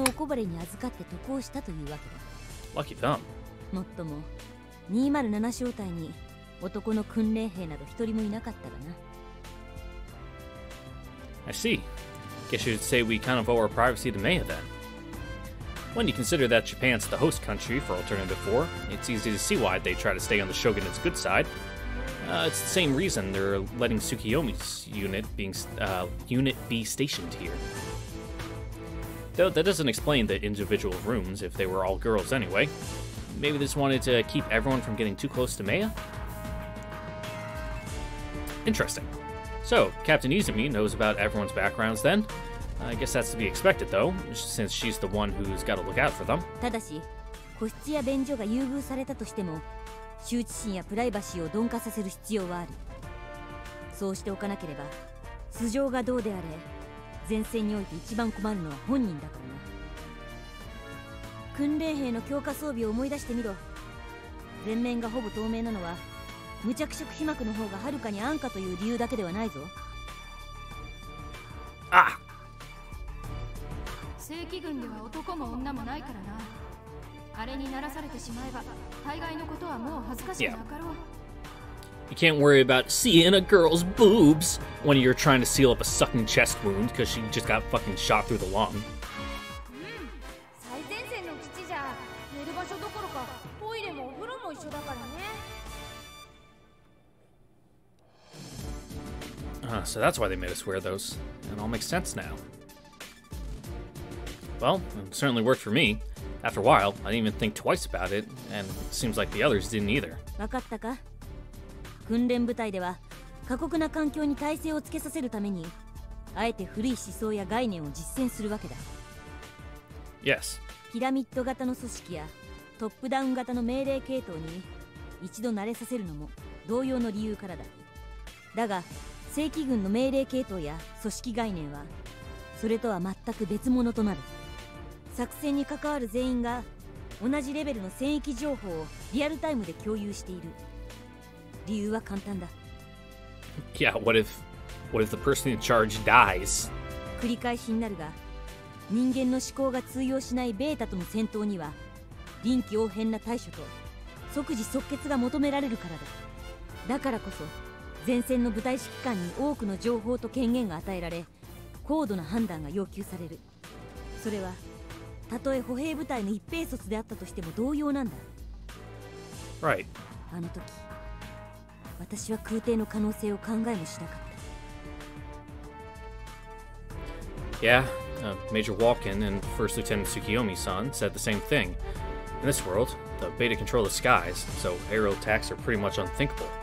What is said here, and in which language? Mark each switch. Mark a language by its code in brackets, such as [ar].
[ja] その辺は帝国各方面への配慮なのだろう。A分隊の連中、鈴宮や柏木はそのおこぼれに預かって渡航したというわけだ。 [en] Lucky them. [ja] もっとも、207小隊に男の訓練兵など一人もいなかったらな。 [en] I see. Guess you'd say we kind of owe our privacy to Maya then. When you consider that Japan's the host country for Alternative 4, it's easy to see why they try to stay on the Shogunate's good side. It's the same reason they're letting Tsukiyomi's unit be stationed here. Though that doesn't explain the individual rooms if they were all girls anyway. Maybe they just wanted to keep everyone from getting too close to Maya? Interesting. So, Captain Izumi knows about everyone's backgrounds then? I guess that's to be expected, though, since she's the one who's got to look out for them. [ja] 個室や便所が優遇されたとしても羞恥心やプライバシーを鈍化させる必要はある。そうしておかなければ素性がどうであれ前線において一番困るのは本人だからな。訓練兵の強化装備を思い出してみろ。全面がほぼ透明なのは無着色被膜の方がはるかに安価という理由だけではないぞ。あ、正規軍では男も女もないからな。あれにならされてしまえば大概のことはもう恥ずかしくなかろう。 [en] You can't worry about seeing a girl's boobs when you're trying to seal up a sucking chest wound because she just got fucking shot through the lung. [ja] 最前線の基地じゃ寝る場所どころかトイレもお風呂も一緒だからね。 [en] So that's why they made us wear those. It all makes sense now. Well, it certainly worked for me. After a while, I didn't even think twice about it, and it seems like the others didn't either. [ja] わかったか？訓練部隊では、過酷な環境に耐性をつけさせるために、あえて古い思想や概念を実践するわけだ。 [en] Yes. [ja] ピラミッド型の組織やトップダウン型の命令系統に一度慣れさせるのも同様の理由からだ。だが、正規軍の命令系統や組織概念はそれとは全く別物となる。作戦に関わる全員が同じレベルの戦域情報をリアルタイムで共有している。理由は簡単だ。 [en] Yeah, what if the person in charge dies? [ja] 繰り返しになるが、人間の思考が通用しないベータとの戦闘には臨機応変な対処と即時即決が求められるからだ。だからこそ前線の部隊指揮官に多くの情報と権限が与えられ、高度な判断が要求される。それは、たとえ歩兵部隊の一兵卒であったとしても同様なんだ。 [en] Right. [ja] あの時、私は空挺の可能性を考えもしなかった。 [en] Yeah, Major Walken and First Lieutenant Tsukiyomi-san said the same thing. In this world, the beta control the skies, so aerial attacks are pretty much unthinkable.